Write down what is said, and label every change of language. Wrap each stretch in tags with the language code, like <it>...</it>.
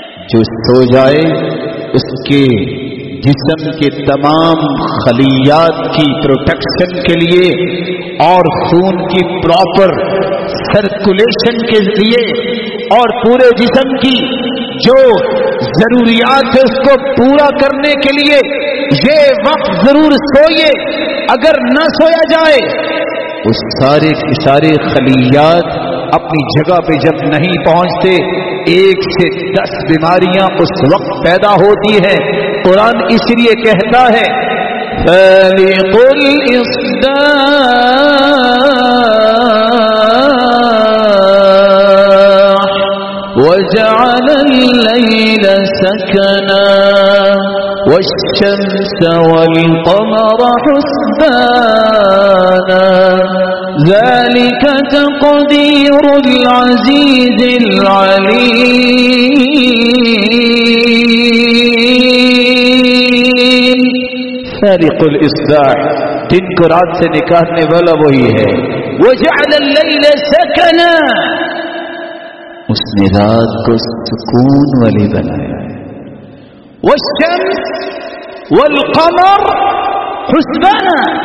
<ur>جو سو جائے اس کے جسم کے تمام خلیات کی پروٹیکشن کے لیے اور خون کی پراپر سرکولیشن کے لیے اور پورے جسم کی جو ضروریات ہے اس کو پورا کرنے کے لیے یہ وقت ضرور سوئے. اگر نہ سویا جائے, اس سارے کے سارے خلیات اپنی جگہ پہ جب نہیں پہنچتے, 1 سے 10 بیماریاں اس وقت پیدا ہوتی ہیں. قرآن اس لیے کہتا ہے</ur> <ar>فالق الاصباح وجعل الليل سكنا والشمس والقمر حسبانا ذلك تقدير العزيز العليم. فارق الإصباح,</ar> <ur>دن کو رات سے نکالنے والا وہی ہے.</ur> <ar>وجعل الليل سكنا,</ar> <ur>اس نے رات کو سکون والی بنایا.</ur> <ar>والشمس والقمر حسبانا,</ar>